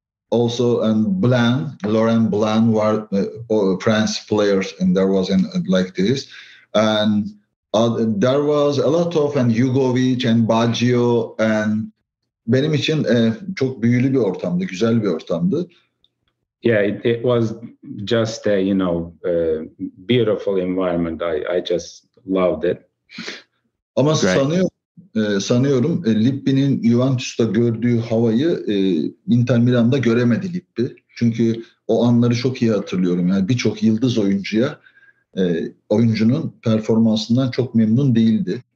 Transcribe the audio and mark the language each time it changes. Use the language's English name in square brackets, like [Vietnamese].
[English] Also, and Blan, Laurent Blan, were France players, and there was an like this, and there was a lot of and Jugovic and Baggio and. [Turkish] Benim için çok büyülü bir ortamdı, güzel bir ortamdı. [English] Yeah, it was just a you know beautiful environment. I just loved it. [Turkish] Ama sanıyorum Lippi'nin Juventus'ta gördüğü havayı Inter Milan'da göremedi Lippi. Çünkü o anları çok iyi hatırlıyorum. Yani birçok yıldız oyuncuya oyuncunun performansından çok memnun değildi.